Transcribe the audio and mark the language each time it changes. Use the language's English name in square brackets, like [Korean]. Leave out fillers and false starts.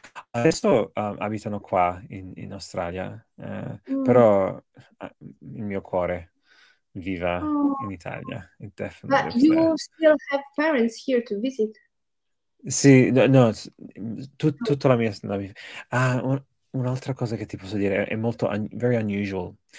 [Italian] Adesso abitano qua in Australia, però il mio cuore viva in Italia. [English] Definitely. But you still have parents here to visit? [Italian] Sì, no, tutta la mia un'altra cosa che ti posso dire è molto [English] very unusual.